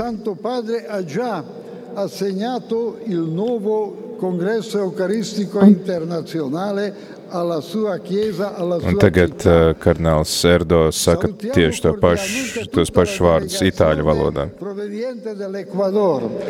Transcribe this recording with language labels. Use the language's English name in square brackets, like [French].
[Italian] Santo Padre ha già assegnato il nuovo congresso eucaristico internazionale alla sua chiesa, alla sua. [Latvian] Un tagad kardināls Erdo saka tieši tos pašus vārdus itāļu valodā. [Italian] Proveniente dell'Ecuador.